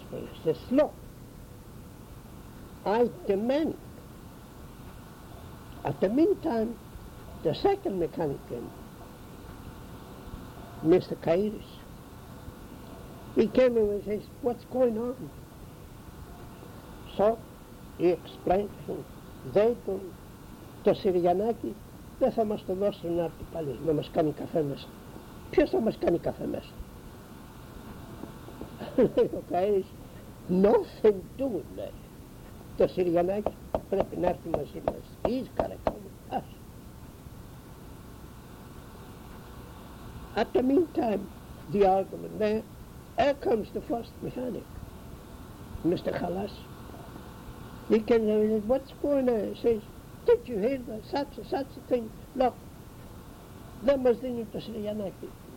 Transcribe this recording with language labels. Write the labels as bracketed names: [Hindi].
[English] He says, "Look, I demand." At the meantime, the second mechanic came, Mr. Kairis. He came in and says, "What's going on?" So he explained to him, "They do, [Greek] το Σιριανάκι, δεν θα μας το δώσουν να έρθει πάλι να μας κάνει καφέ μέσα. Ποιος θα μας κάνει καφέ μέσα?" Λέει ο Καΐρης, [English] "Nothing doing, [Greek] λέει. Το Σιριανάκι πρέπει να έρθει μαζί μας. [English] He's got to come with us." At the meantime, the argument there, here comes the first mechanic, Mr. Halas. He came and said, "What's going on?" He says, "Did you hear that? Such a thing. Look, they must think of the Sriyanaki.